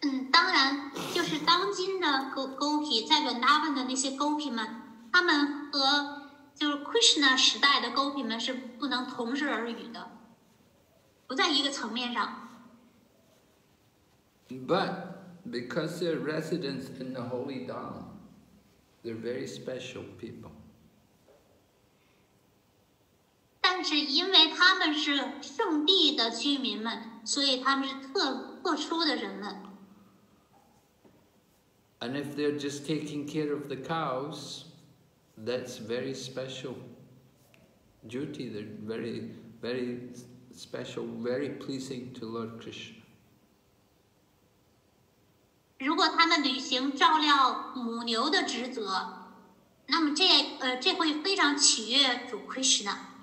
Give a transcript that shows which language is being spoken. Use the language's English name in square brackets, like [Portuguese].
[Chinese] 当然，就是当今的gopi在 Vrindavan 的那些gopi们，他们和就是 Krishna 时代的gopi们是不能同日而语的，不在一个层面上。 [English] But because they're residents in the holy dham, they're very special people. [Chinese] 但是因为他们是圣地的居民们，所以他们是特殊的人们。 [English] And if they're just taking care of the cows, that's very special duty. They're very, very special, very pleasing to Lord Krishna. [Chinese] 如果他们履行照料母牛的职责，那么这会非常取悦主 Krishna。